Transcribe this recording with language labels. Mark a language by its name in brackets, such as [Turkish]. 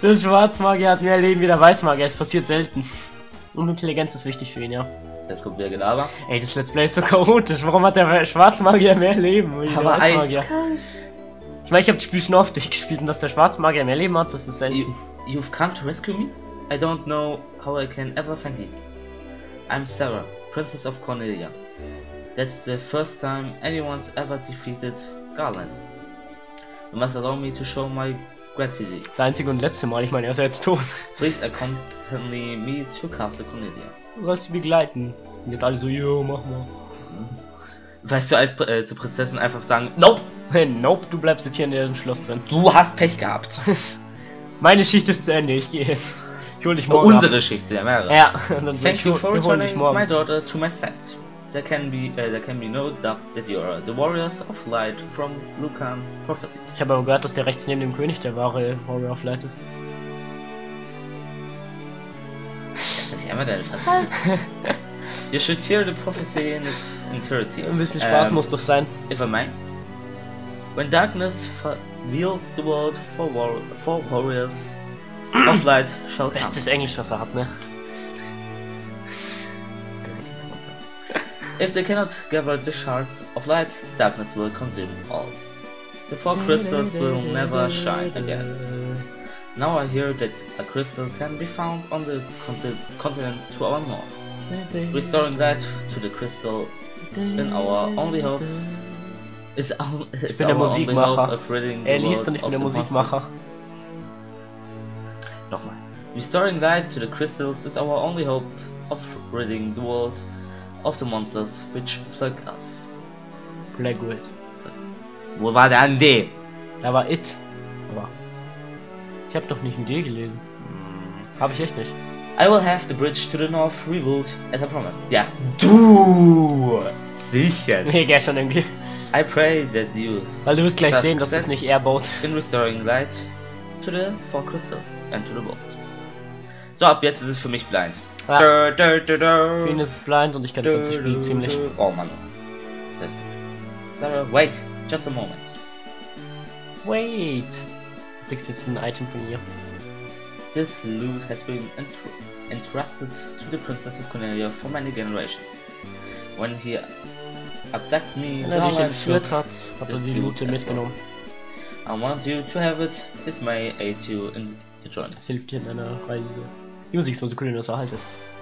[German] Der Schwarzmagier hat mehr Leben wie der Weißmagier, es passiert selten. Und Intelligenz ist wichtig für ihn, ja. Jetzt kommt wieder Gelaber. Ey, das Let's Play ist so chaotisch, warum hat der Schwarzmagier mehr Leben wie der Weißmagier? Ich meine, ich habe das Spiel schon oft durchgespielt und dass der Schwarzmagier mehr Leben hat, das ist selten. [English] You've come to rescue me? I don't know how I can ever find him. I'm Sarah, Princess of Cornelia. That's the first time anyone's ever defeated Garland. You must allow me to show my gratitude. [German] Das einzige und letzte Mal, ich meine, er ist jetzt tot. [English] Please accompany me to Castle Cornelia. [German] Du sollst mich begleiten. Und jetzt alle so, yo, mach mal. Weißt du, als zur Prinzessin einfach sagen, nope! Nope, du bleibst jetzt hier in dem Schloss drin. Du hast Pech gehabt. Meine Schicht ist zu Ende, ich gehe jetzt. Ich hol dich morgen. Oh, unsere Schicht, sehr mehrere. Ja, dann [English] thank you for returning my daughter to my sect. There can be no doubt that you are the Warriors of Light from Lucan's prophecy. [German] Ich habe aber gehört, dass der rechts neben dem König der wahre Warrior of Light ist. Das ist ja immer deine Fassade. [English] You should hear the prophecy in its entirety. [German] Ein bisschen Spaß muss doch sein. [English] If I may. When darkness veils the world for Warriors of Light shall come. [German] Bestes Englisch, was er hat, ne? [English] If they cannot gather the shards of light, darkness will consume all. The four crystals will never shine again. Now I hear that a crystal can be found on the continent to our north. Restoring light to the crystal in our only hope is our only hope of ridding the world of the monsters. [German] Nochmal. [English] Restoring light to the crystals is our only hope of ridding the world of the monsters which plague us. Plague it. [German] Wo war der D? Da war it. Aber ich hab doch nicht ein D gelesen. Hab ich echt nicht. [English] I will have the bridge to the north rebuilt as I promised. [German] Ja. Du! Sicher. Nee, geh schon irgendwie. [English] I pray that you. [German] Weil du wirst gleich sehen, dass es nicht er baut. [English] In restoring light to the four crystals and to the world. [German] So, ab jetzt ist es für mich blind. Ja. Finn ist blind und ich kenne das ganze Spiel ziemlich. Oh Mann. [English] Sarah, wait, just a moment. Wait. [German] Du kriegst jetzt ein Item von ihr. [English] This loot has been entrusted to the Princess of Cornelia for many generations. When he abducted me, [German] wenn er dich entführt hat, hat er die Loot mitgenommen. [English] I want you to have it. It may aid you in your journey. [German] Das hilft dir in deiner Reise. Die Musik ist nur so cool, wenn du es erhaltest.